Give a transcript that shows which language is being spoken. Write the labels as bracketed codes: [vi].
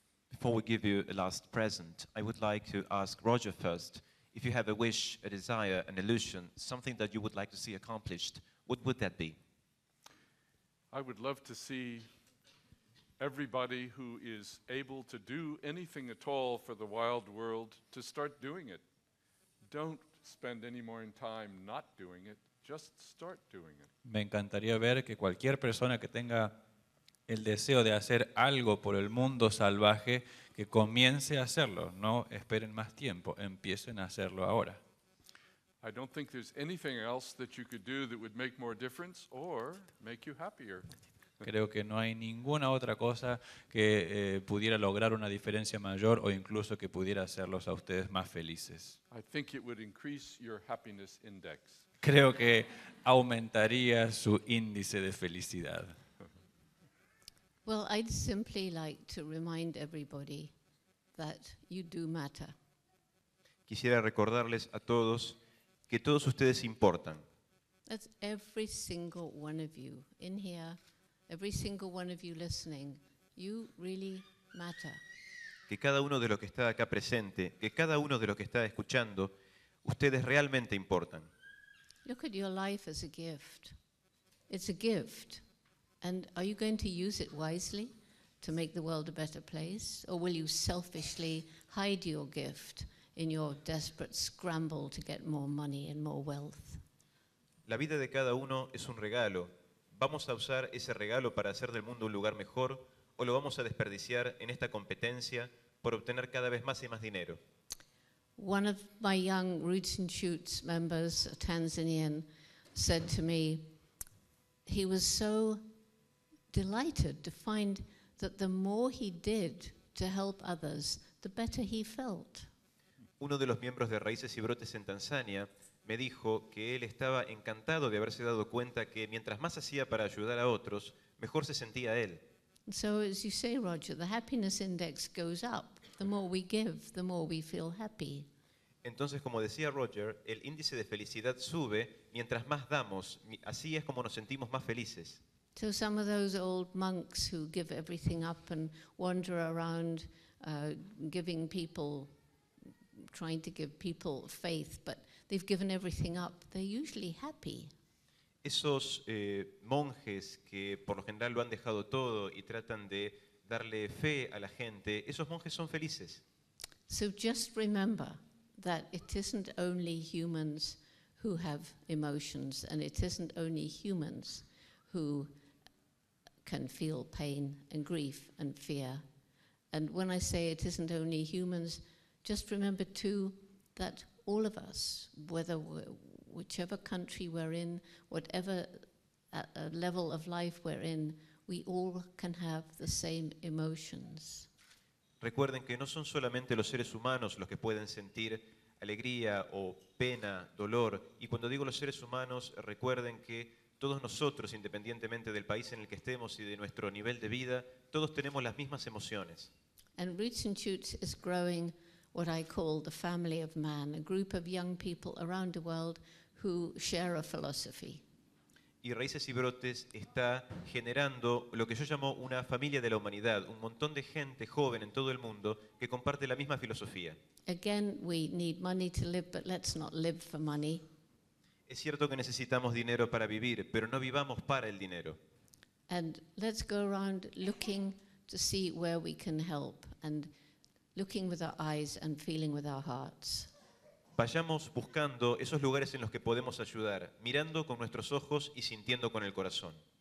[en] Before we give you a last present, I would like to ask Roger first, if you have a wish, a desire, an illusion, something that you would like to see accomplished, what would that be? I would love to see everybody who is able to do anything at all for the wild world to start doing it. Don't spend any more time not doing it, just start doing it. [es] Me encantaría ver que cualquier persona que tenga el deseo de hacer algo por el mundo salvaje, que comience a hacerlo. No esperen más tiempo, empiecen a hacerlo ahora. [en] I don't think there's anything else that you could do that would make more difference or make you happier. [es] Creo que no hay ninguna otra cosa que pudiera lograr una diferencia mayor o incluso que pudiera hacerlos a ustedes más felices. [en] I think it would increase your happiness index. [es] Creo que aumentaría su índice de felicidad. [en] Well, I'd simply like to remind everybody that you do matter. [es] Quisiera recordarles a todos que todos ustedes importan. [en] That's every single one of you in here, every single one of you listening, you really matter. [es] Que cada uno de los que está acá presente, que cada uno de los que está escuchando, ustedes realmente importan. [en] Look at your life as a gift. It's a gift. And are you going to use it wisely to make the world a better place? Or will you selfishly hide your gift in your desperate scramble to get more money and more wealth? [es] La vida de cada uno es un regalo. ¿Vamos a usar ese regalo para hacer del mundo un lugar mejor? ¿O lo vamos a desperdiciar en esta competencia por obtener cada vez más y más dinero? [en] One of my young Roots and Shoots members, a Tanzanian, said to me, he was so delighted to find that the more he did to help others, the better he felt. [es] Uno de los miembros de Raíces y Brotes en Tanzania me dijo que él estaba encantado de haberse dado cuenta que mientras más hacía para ayudar a otros, mejor se sentía él. [en] So as you say, Roger, the happiness index goes up. The more we give, the more we feel happy. [es] Entonces, como decía Roger, el índice de felicidad sube mientras más damos. Así es como nos sentimos más felices. [en] So some of those old monks who give everything up and wander around giving people, trying to give people faith, but they've given everything up, they're usually happy. [es] Esos monjes que por lo general lo han dejado todo y tratan de darle fe a la gente, esos monjes son felices. [en] So just remember that it isn't only humans who have emotions and it isn't only humans who can feel pain and grief and fear. And when I say it isn't only humans, just remember too that all of us, whether whichever country we're in, whatever level of life we're in, we all can have the same emotions. [es] Recuerden que no son solamente los seres humanos los que pueden sentir alegría o pena, dolor. Y cuando digo los seres humanos, recuerden que todos nosotros, independientemente del país en el que estemos y de nuestro nivel de vida, todos tenemos las mismas emociones. [en] And Roots and Shoots is growing what I call the family of man, a group of young people around the world who share a philosophy. [es] Y Raíces y Brotes está generando lo que yo llamo una familia de la humanidad, un montón de gente joven en todo el mundo que comparte la misma filosofía. [en] Again, we need money to live, but let's not live for money. [es] Es cierto que necesitamos dinero para vivir, pero no vivamos para el dinero. [en] And let's go around looking to see where we can help and looking with our eyes and feeling with our hearts. [es] Vayamos buscando esos lugares en los que podemos ayudar, mirando con nuestros ojos y sintiendo con el corazón.